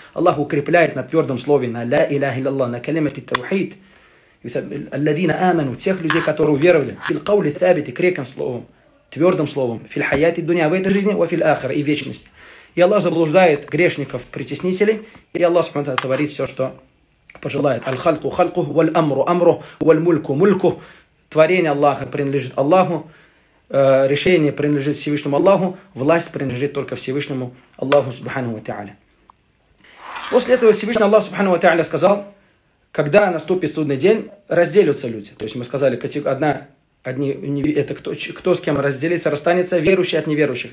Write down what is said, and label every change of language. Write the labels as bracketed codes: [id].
[ru] Аллах укрепляет на твердом слове, на «Ла илляхи лаллах», на калимати таухид. [ar] الذين آمنوا [ru] тех людей, которые уверовали, [ar] في القول الثابت, [ru] крепким словом, твердым словом, [ar] في الحياة الدنيا, [ru] в этой жизни, [ar] وفي الآخرة, [ru] и вечность. И Аллах заблуждает грешников, притеснителей, и Аллах Субхану Ва Тааля творит все, что пожелает. [ar] الخلقه خلقه والأمر أمره والملك ملكه. [ru] Творение Аллаха принадлежит Аллаху, решение принадлежит Всевышнему Аллаху, власть принадлежит только Всевышнему Аллаху Субхану Ва Тааля. После этого Всевышний Аллах Субхану Ва Тааля сказал: когда наступит судный день, разделятся люди. То есть мы сказали, это кто с кем разделится, расстанется, верующие от неверующих.